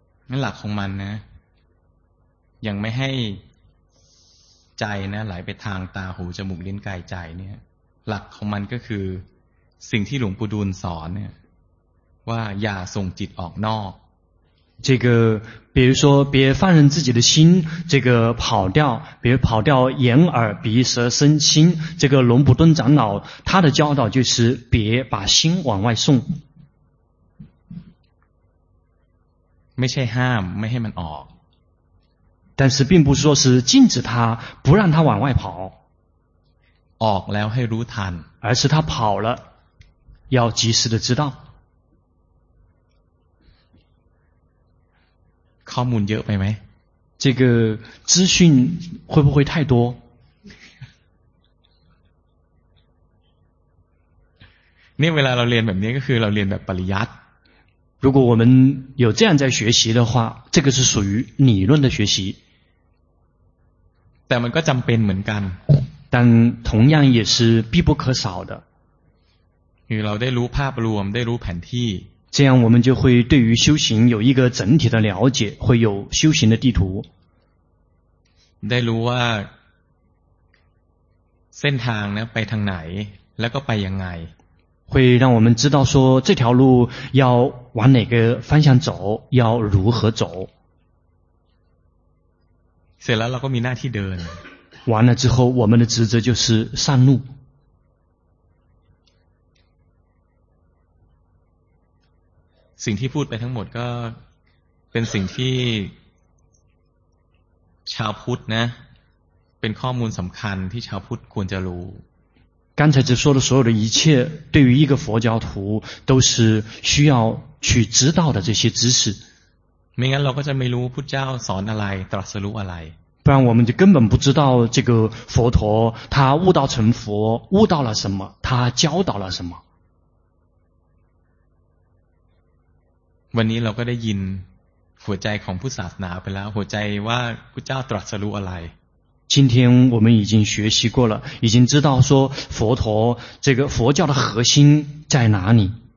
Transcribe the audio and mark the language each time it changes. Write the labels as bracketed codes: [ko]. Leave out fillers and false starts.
[th] นั่นหลักของมันนะยังไม่ให้ใจนะไหลไปทางตาหูจมูกลิ้นกายใจเนี่ยหลักของมันก็คือสิ่งที่หลวงปู่ดูลสอนเนี่ยว่าอย่าส่งจิตออกนอก [zh] 这个比如说别放任自己的心这个跑掉别跑掉眼耳鼻舌身心这个龙普顿长老他的教导就是别把心往外送 [th] ไม่ใช่ห้ามไม่ให้มันออก [zh] 但是并不说是禁止他不让他往外跑 [th] ออกแล้วให้รู้ทัน [zh] 而是他跑了要及时的知道 [th] ข้อมูลเยอะไปไหม [zh] 这个资讯会不会太多 [th] นี่เวลาเราเรียนแบบนี้ก็คือเราเรียนแบบปริยัติ [zh] 如果我们有这样在学习的话这个是属于理论的学习 [th] แต่มันก็จำเป็นเหมือนกัน [zh] 但同样也是必不可少的 [th] คือเราได้รู้ภาพรวมได้รู้แผนที่ [zh] 这样我们就会对于修行有一个整体的了解会有修行的地图 [th] ได้รู้ว่าเส้นทางนะไปทางไหนแล้วก็ไปยังไง [zh] 会让我们知道说这条路要往哪个方向走要如何走 [th] เสร็จแล้วเราก็มีหน้าที่เดิน [zh] 完了之后我们的职责就是上路 [th] สิ่งที่พูดไปทั้งหมดก็เป็นสิ่งที่ชาวพุทธนะเป็นข้อมูลสำคัญที่ชาวพุทธควรจะรู้ [zh] 刚才只说的所有的一切对于一个佛教徒都是需要去知道的这些知识没然我们就没 [th] รู้พุทธเจ้าสอนอะไรตรัสรู้อะไร [zh] 不然我们就根本不知道这个佛陀他悟道成佛悟到了什么他教导了什么 [th] วันนี้เราก็ได้ยินหัวใจของพุทธศาสนาไปแล้วหัวใจว่าพุทธเจ้าตรัสรู้อะไร [zh] 今天我们已经学习过了，已经知道说佛陀这个佛教的核心在哪里。